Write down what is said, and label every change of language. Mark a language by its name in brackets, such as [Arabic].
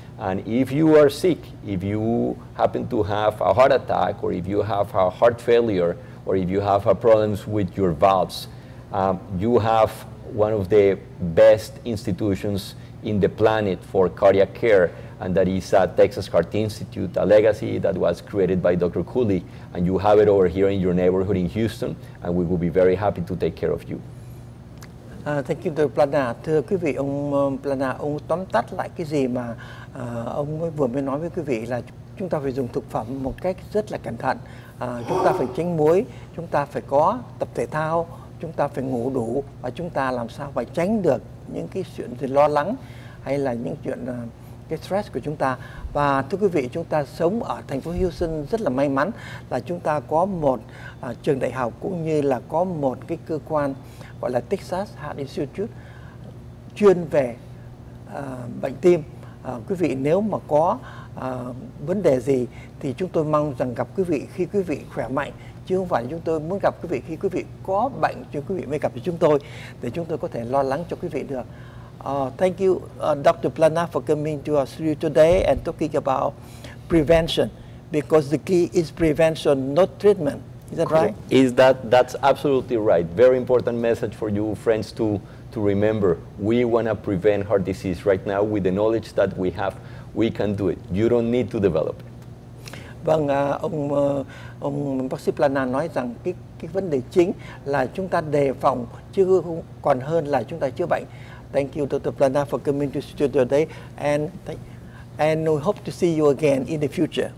[English] And if you are sick, if you happen to have a heart attack, or if you have a heart failure, or if you have problems with your valves, you have one of the best institutions in the planet for cardiac care, and that is Texas Heart Institute, a legacy that was created by Dr. Cooley, and you have it over here in your neighborhood in Houston, and we will be very happy to take care of you. Thank you, Dr. Plana. [Vietnamese] Thưa quý vị, ông Plana, ông tóm tắt lại cái gì mà ông mới vừa mới nói với quý vị là chúng ta phải dùng thực phẩm một cách rất là cẩn thận. Chúng ta phải tránh muối, chúng ta phải có tập thể thao, chúng ta phải ngủ đủ và chúng ta làm sao phải tránh được những cái chuyện gì lo lắng hay là những chuyện cái stress của chúng ta. Và thưa quý vị, chúng ta sống ở thành phố Houston rất là may mắn là chúng ta có một trường đại học cũng như là có một cái cơ quan gọi là Texas Heart Institute chuyên về bệnh tim. Quý vị nếu mà có vấn đề gì thì chúng tôi mong rằng gặp quý vị khi quý vị khỏe mạnh, chứ không phải chúng tôi muốn gặp quý vị khi quý vị có bệnh cho quý vị mới gặp chúng tôi để chúng tôi có thể lo lắng cho quý vị được. [English] Thank you Dr. Plana for coming to our studio today and talking about prevention, because the key is prevention, not treatment. Is that right? That's absolutely right. Very important message for you friends to remember. We want to prevent heart disease. Right now, with the knowledge that we have, we can do it. You don't need to develop it. [Vietnamese] Vâng, ông bác sĩ Plana nói rằng cái vấn đề chính là chúng ta đề phòng chứ còn hơn là chúng ta chữa bệnh. [English] Thank you, Dr. Plana, for coming to studio today, and we hope to see you again in the future.